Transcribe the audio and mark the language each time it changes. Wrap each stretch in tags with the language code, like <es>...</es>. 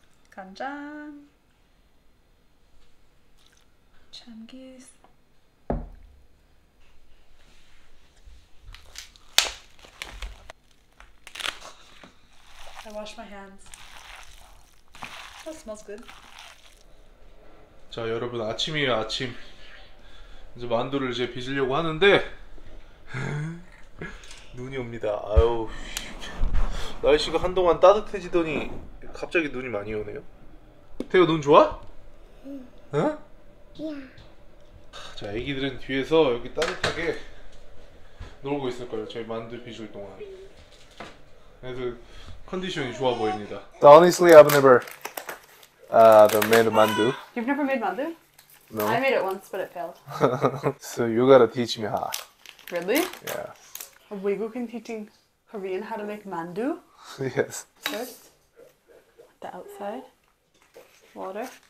<ko>간장, 참기름. 참기스.</ko> <en>I wash my hands. That smells good.</en> <ko>자, 여러분 아침이에요, 아침. 이제 만두를 이제 빚으려고 하는데 눈이 옵니다. 아유. 날씨가 한동안 따뜻해지더니 갑자기 눈이 많이 오네요. 태호 눈 좋아? 응. 응? 야. 자, 아기들은 뒤에서 여기 따뜻하게 놀고 있을 거예요. 저희 만두 빚을 동안. 그래서 컨디션이 좋아 보입니다.</ko> <en>So honestly, I've never made mandu. You've never made mandu? No. I made it once, but it failed. So you gotta teach me how. Really? Yeah. A Weigukin teaching Korean how to make mandu? Yes. First, the outside. Water.</en>